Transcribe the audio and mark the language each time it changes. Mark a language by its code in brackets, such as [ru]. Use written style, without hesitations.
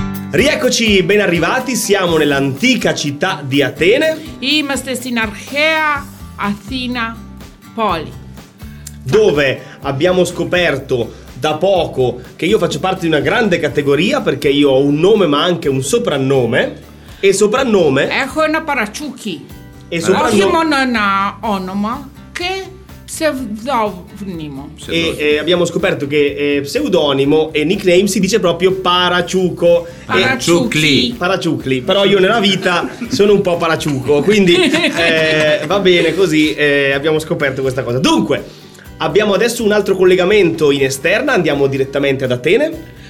[it] Rieccoci, ben arrivati, siamo nell'antica città di Atene. [el] Είμαστε στην αρχαία Αθήνα πόλη. [it] Dove abbiamo scoperto da poco che io faccio parte di una grande categoria, perché io ho un nome ma anche un soprannome. E soprannome... [el] Έχω ένα παρατσούκι. Όχι μόνο ένα όνομα, και pseudonimo. [it] E abbiamo scoperto che pseudonimo e nickname si dice proprio paraciuco. [el] Paraciucli. Paraciucli. [it] Però io nella vita sono un po' paraciuco, quindi va bene così, abbiamo scoperto questa cosa. Dunque, abbiamo adesso un altro collegamento in esterna, andiamo direttamente ad Atene.